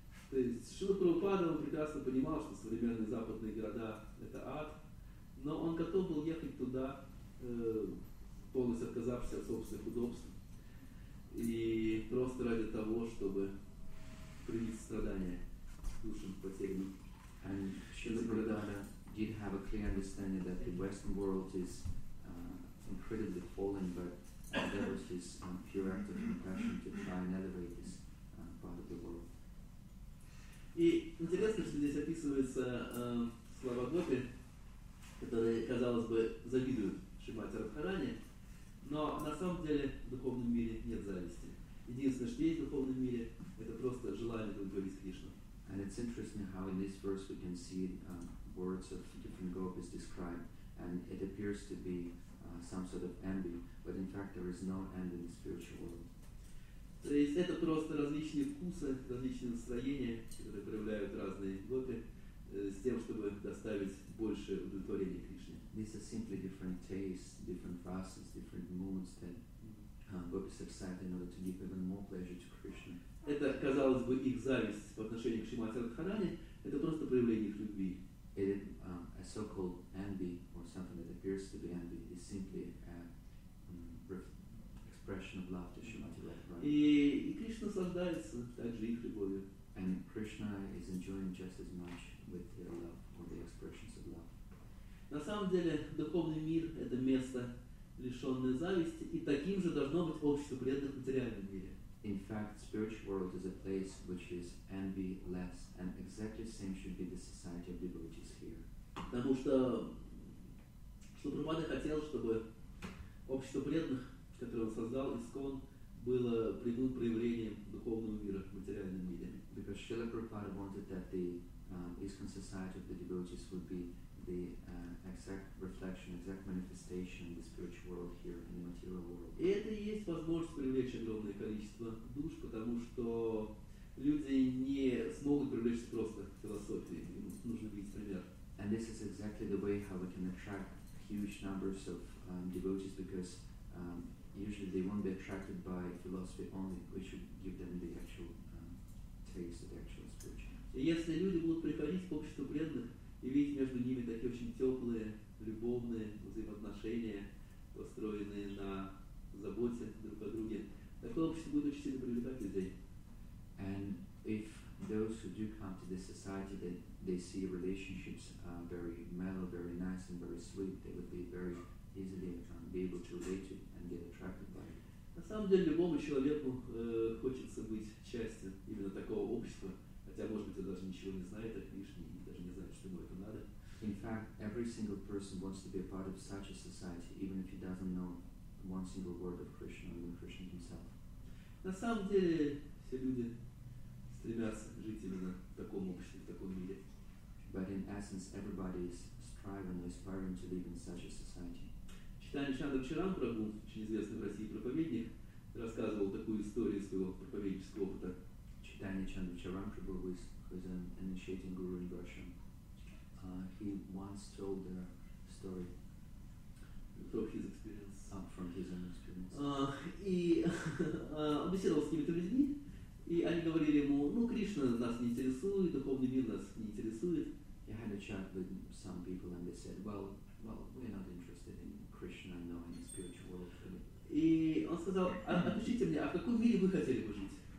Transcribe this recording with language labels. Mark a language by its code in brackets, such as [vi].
[ru] То есть Шрила Прабхупада, он прекрасно понимал, что современные западные города – это ад, но он готов был ехать туда, полностью отказавшись от собственных удобств, и просто ради того, чтобы принести страдания душам потерянным. [en] And Шрила Прабхупада did have a clear understanding that the Western world is incredibly fallen, but there was his pure act of compassion to try and elevate this part of the world. [ru] И интересно, что здесь описываются слова Гопи, которые, казалось бы, завидуют Шримати Радхарани, но на самом деле в духовном мире нет зависти. Единственное, что есть в духовном мире, это просто желание удовлетворить Кришну. [en] And it's interesting how in this verse we can see words of different gopis described, and it appears to be some sort of envy, but in fact there is no envy in the spiritual world. [ru] То есть это просто различные вкусы, различные настроения, которые проявляют разные гопи, с тем, чтобы доставить больше удовлетворения Кришне. [en] These are simply different tastes, different vases, different moods that gopis accept in order to give even more pleasure to Krishna. [ru] Это, казалось бы, их зависть по отношению к Шримати Радхарани, это просто проявление их любви. [en] It, a so-called envy, or something that appears to be envy, is simply a expression of love to Shrimati Radharani. [ru] И Кришна наслаждается также их любовью. [en] And Krishna is enjoying just as much with their love, or the expressions of love. [ru] На самом деле, духовный мир — это место, лишенное зависти, и таким же должно быть общество преданных в материальном мире. [en] In fact, spiritual world is a place which is envy-less, and exactly the same should be the society of devotees here. [ru] Потому что Шрила Прабхупада хотел, чтобы общество преданных, которое он создал, ИСКОН, было придут проявлением духовного мира в материальном мире. [en] Because Srila Prabhupada wanted that the ISKCON society of the devotees would be the exact reflection, exact manifestation of the spiritual world here in the material world. [ru] Это и есть возможность привлечь огромное количество душ, потому что люди не смогут привлечь просто философией. Нужно видеть пример. [en] And this is exactly the way how we can attract huge numbers of devotees, because usually they won't be attracted by philosophy only. We should give them the actual taste of the actual spiritual. [ru] Если люди будут приходить в общество преданных и видеть между ними такие очень теплые, любовные взаимоотношения, построенные на заботе друг о друге, такое общество будет очень сильно привлекать людей. [en] And if those who do come to this society, that they see relationships very mellow, very nice, and very sweet, they would be very easily be able to relate to and get attracted by it. [ru] На самом деле, любому человеку хочется быть частью именно такого общества, хотя, может быть, он даже ничего не знает о Кришне и даже не знает, что ему это надо. [en] In fact, every single person wants to be a part of such a society, even if he doesn't know one single word of Krishna or even Krishna himself. [ru] На самом деле, все люди стремятся жить именно в таком обществе, в таком мире. [en] But in essence, everybody is striving, aspiring to live in such a society. [ru] Читание Чандрачаран Прабху, очень известный в России проповедник, рассказывал такую историю своего проповеднического опыта. [en] Читание Чандрачаран Прабху, who is an initiating guru in Russia, he once told the story from his experience. From his own experience. [ru] И беседовал с какими-то людьми. И они говорили ему, ну, Кришна нас не интересует, духовный мир нас не интересует. [en] He had a chat with some people and they said, well, we're not interested in Krishna, no, in the spiritual world. [ru] И он сказал, отпишите мне, а в каком мире вы хотели бы жить?